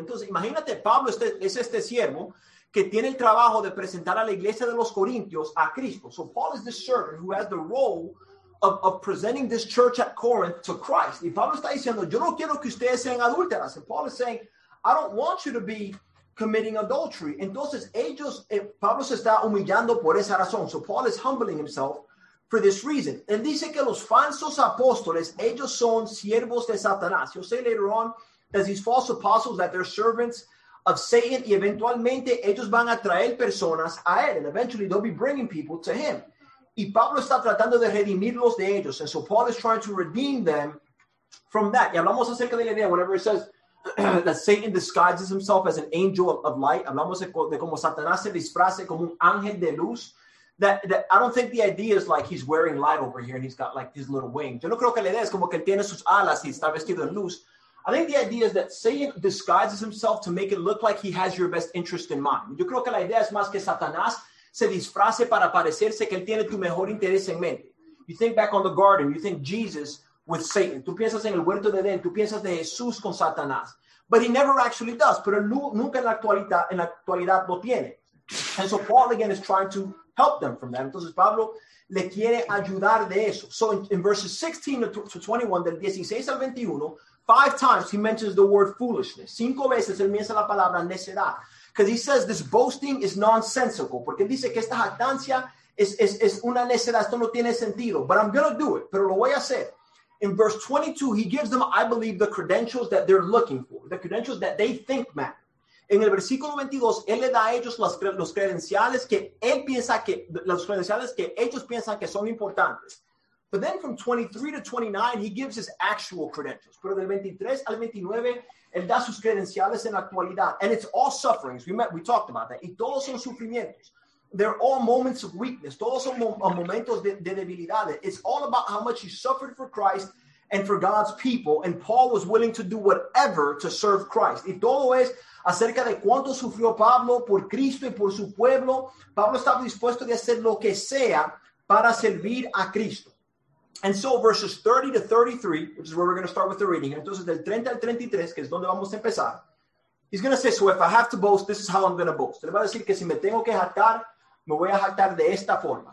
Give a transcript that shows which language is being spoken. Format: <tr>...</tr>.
<es>Entonces, imagínate, Pablo es este siervo que tiene el trabajo de presentar a la iglesia de los Corintios a Cristo.</es> <en>So Paul is the servant who has the role of presenting this church at Corinth to Christ.</en> <es>Y Pablo está diciendo, yo no quiero que ustedes sean adúlteras.</es> <en>And Paul is saying, I don't want you to be committing adultery.</en> <es>Entonces ellos, Pablo se está humillando por esa razón.</es> <en>So Paul is humbling himself for this reason.</en> <es>Él dice que los falsos apóstoles, ellos son siervos de Satanás.</es> <en>He'll say later on that these false apostles, that they're servants of Satan,</en> <es>y eventualmente ellos van a traer personas a él.</es> <en>And eventually they'll be bringing people to him.</en> <es>Y Pablo está tratando de redimirlos de ellos.</es> <en>And so Paul is trying to redeem them from that.</en> <es>Y hablamos acerca de la idea,</es> <en>whenever it says, that Satan disguises himself as an angel of light.</en> <es>Hablamos de como Satanás se disfraza como un ángel de luz.</es> <en>That I don't think the idea is like he's wearing light over here and he's got like his little wings.</en> <es>Yo no creo que la idea es como que tiene sus alas y está vestido en luz.</es> <en>I think the idea is that Satan disguises himself to make it look like he has your best interest in mind.</en> <es>Yo creo que la idea es más que Satanás se disfrace para parecerse que él tiene tu mejor interés en mente.</es> <en>You think back on the garden, you think Jesus with Satan.</en> <es>Tú piensas en el huerto de Edén. Tú piensas de Jesús con Satanás.</es> <en>But he never actually does.</en> <es>Pero nunca en la actualidad lo tiene.</es> <en>And so Paul again is trying to help them from that.</en> <es>Entonces Pablo le quiere ayudar de eso.</es> <en>So in verses 16 to 21,</en> <es>del 16 al 21,</es> <en>five times he mentions the word foolishness.</en> <es>Cinco veces él menciona la palabra necedad.</es> <en>Because he says this boasting is nonsensical.</en> <es>Porque él dice que esta jactancia es una necedad. Esto no tiene sentido.</es> <en>But I'm going to do it.</en> <es>Pero lo voy a hacer.</es> <en>In verse 22, he gives them, I believe, the credentials that they're looking for, the credentials that they think matter.</en> <es>En el versículo 22, él le da a ellos los credenciales que él piensa que, los credenciales que ellos piensan que son importantes.</es> <en>But then from 23 to 29, he gives his actual credentials.</en> <es>Pero del 23 al 29, él da sus credenciales en la actualidad.</es> <en>And it's all sufferings. We talked about that.</en> <es>Y todos son sufrimientos.</es> <en>They're all moments of weakness.</en> <es>Todos son momentos de debilidad.</es> <en>It's all about how much he suffered for Christ and for God's people. And Paul was willing to do whatever to serve Christ.</en> <es>Y todo es acerca de cuánto sufrió Pablo por Cristo y por su pueblo. Pablo estaba dispuesto de hacer lo que sea para servir a Cristo.</es> <en>And so verses 30 to 33, which is where we're going to start with the reading.</en> <es>Entonces del 30 al 33, que es donde vamos a empezar.</es> <en>He's going to say, so if I have to boast, this is how I'm going to boast.</en> <es>Le va a decir que si me tengo que jactar, me voy a jactar de esta forma.</es>